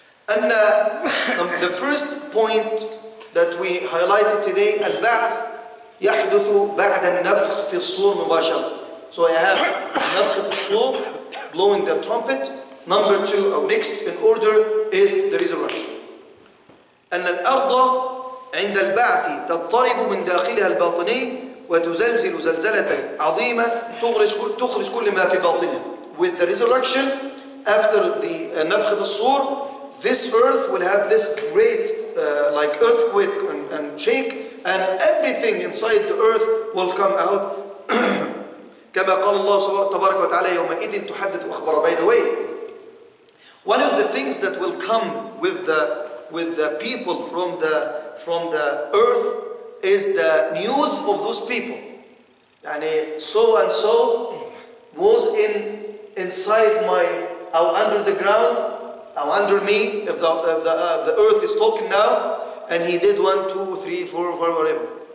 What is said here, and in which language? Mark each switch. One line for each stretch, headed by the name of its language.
Arabic: ان
English: the first point that we highlighted today,
Arabic: البعث يحدث بعد النفخ في الصور مباشرة.
English: So I have
Arabic: النفخ في الصور,
English: blowing the trumpet. Number two, or next in order, is the resurrection.
Arabic: ان الارض عند البعث تضطرب من داخلها الباطني وتزلزل زلزلة عظيمة تخرج كل ما في باطنها.
English: With the resurrection, after the
Arabic: نفخ في الصور,
English: this earth will have this great like earthquake and shake, and everything inside the earth will come out.
Arabic: كما قال الله تبارك وتعالى يومئذ تحدث أخبار.
English: By the way, one of the things that will come with the people from the earth is the news of those people. يعني, so and so was inside my, or under the ground, or under me, if the earth is talking now, and he did 1, 2, 3, 4, 5, whatever.